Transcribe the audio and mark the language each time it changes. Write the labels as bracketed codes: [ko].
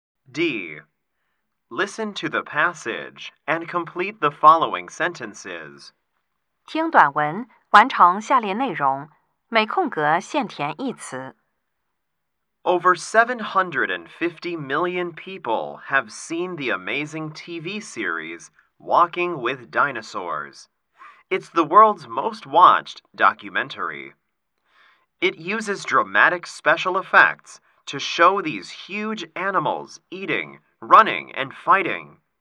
[en] D. Listen to the passage and complete the following sentences. [zh] 听短文，完成下列内容，每空格限填一词。 [en] Over 750 million people have seen the amazing TV series Walking with Dinosaurs. It's the world's most watched documentary. It uses dramatic special effects to show these huge animals eating, running, and fighting.